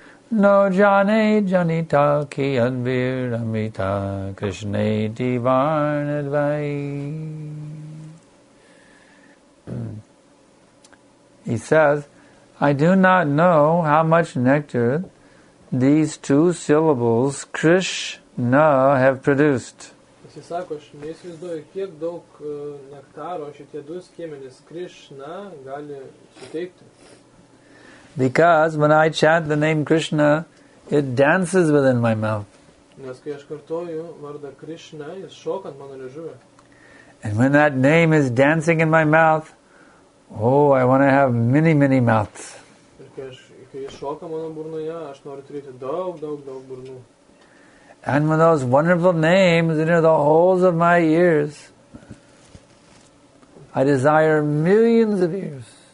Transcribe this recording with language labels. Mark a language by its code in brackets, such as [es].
[en] No jane janita ki anvir amita krishne divan advai. He says, I do not know how much nectar these two syllables Krishna have produced. [lt] Jis sako, aš neįsivaizduoju, kiek daug nektaro šitie du skiemenys Krishna gali suteikti. [en] Because when I chant the name Krishna, it dances within my mouth. [lt] Nes kai aš kartoju vardą Krishna, jis šoka ant mano liežuvio. [en] And when that name is dancing in my mouth, oh, I want to have many, many mouths. [lt] Ir kai jis šoka mano burnoje, aš noriu turėti daug, daug, daug burnų. [en] And when those wonderful names enter the holes of my ears, I desire millions of ears.